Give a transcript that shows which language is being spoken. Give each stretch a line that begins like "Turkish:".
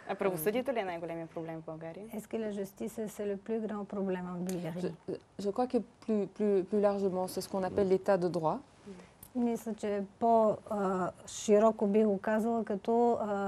Bulgarian: А правосъдието ли е най-големият проблем в България?
French: Est-ce que la justice est le plus grand problème en Bulgarie? Je crois que plus largement, c'est ce qu'on appelle l'état de droit.
Bulgarian: Мисля, че по-широко би го казала като